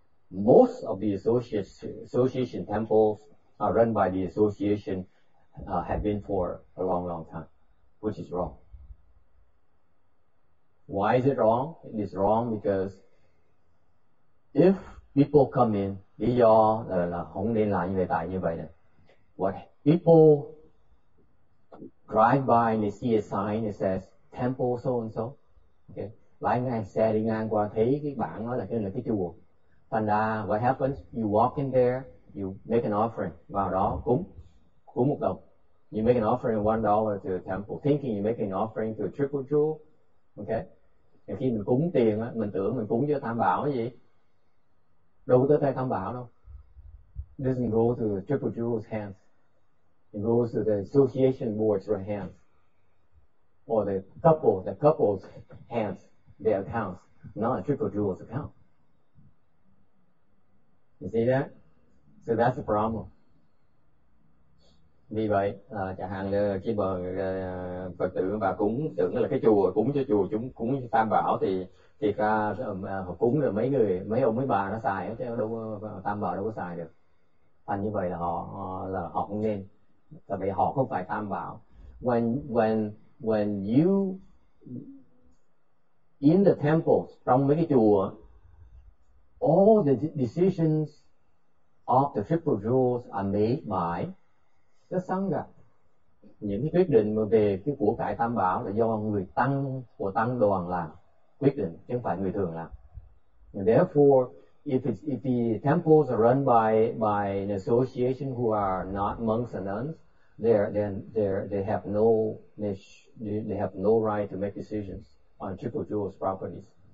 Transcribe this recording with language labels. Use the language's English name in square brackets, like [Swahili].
[English] Most of the association temples are run by the association have been for a long, long time. Which is wrong. Why is it wrong? It is wrong because if people come in, [Vietnamese] lý do là không nên làm như vậy tại như vậy nè. [English] What people drive by and they see a sign that says temple so and so. [Vietnamese] Okay, lái ngang xe đi ngang qua thấy cái bảng đó là cái chùa. Thành ra [English] what happens? You walk in there, you make an offering [Vietnamese] vào đó cúng một đồng. [English] You make an offering $1 to the temple, thinking you make an offering to a triple jewel, okay? [Vietnamese] And khi mình cúng tiền á, mình tưởng mình cúng cho tam bảo gì? Đâu có tới tay tam bảo đâu. [English] Doesn't go to the triple jewel's hands. It goes to the association board's hands, or the couple's hands, their accounts, not a triple jewel's account. You see that? So that's the problem. [Vietnamese] Vì vậy chẳng hạn khi mà Phật tử bà cúng tưởng là cái chùa cúng cho chùa chúng cúng cho tam bảo thì ra họ cúng rồi mấy ông mấy bà nó xài chứ đâu tam bảo đâu có xài được. Thành như vậy là họ không nên, tại vì họ không phải tam bảo. [English] When you in the temples, [Vietnamese] trong mấy cái chùa, [English] all the decisions of the triple jewels are made by the Sangha. [Vietnamese] Những cái quyết định về cái của cải tam bảo là do người tăng của tăng đoàn làm quyết định, chứ không phải người thường làm. [English] And therefore, if the temples are run by an association who are not monks and nuns, they have no right to make decisions on triple jewel's properties.